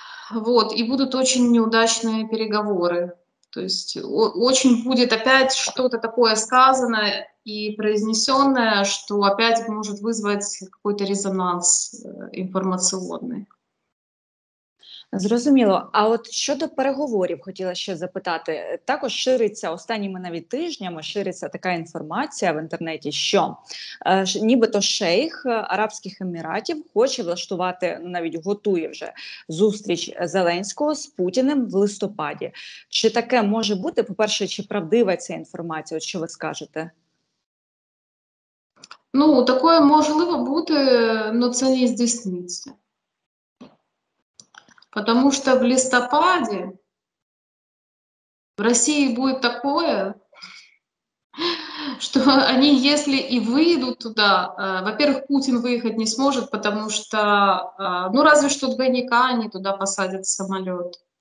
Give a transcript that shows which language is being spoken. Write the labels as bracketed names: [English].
[Russian] Вот, и будут очень неудачные переговоры. То есть очень будет опять что-то такое сказано и произнесенное, что опять может вызвать какой-то резонанс информационный. [Ukrainian] Зрозуміло. А от щодо переговорів, хотіла ще запитати. Також шириться останніми навіть тижнями, шириться така інформація в інтернеті, що нібито шейх Арабських Еміратів хоче влаштувати, навіть готує вже зустріч Зеленського з Путіним в листопаді. Чи таке може бути? По-перше, чи правдива ця інформація, от що ви скажете? Ну, таке можливо бути, але це не здійсниться. [Russian] Потому что в листопаде в России будет такое, что они, если и выйдут туда, во-первых, Путин выехать не сможет, потому что, ну, разве что двойника они туда посадят в самолет.